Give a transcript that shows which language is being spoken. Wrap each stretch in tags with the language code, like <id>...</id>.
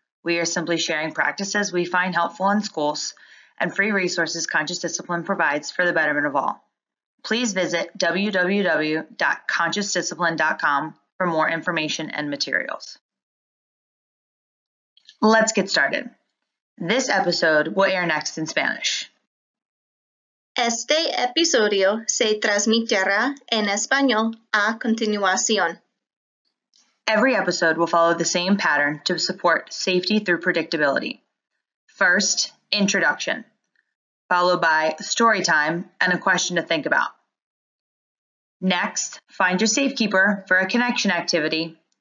<en>We are simply sharing practices we find helpful in schools and free resources Conscious Discipline provides for the betterment of all. Please visit www.consciousdiscipline.com for more information and materials. Let's get started. This episode will air next in Spanish.</en> <es>Este episodio se transmitirá en español a continuación.</es> <en>Every episode will follow the same pattern to support safety through predictability. First, introduction, followed by story time and a question to think about. Next, find your safekeeper for a connection activity.</en>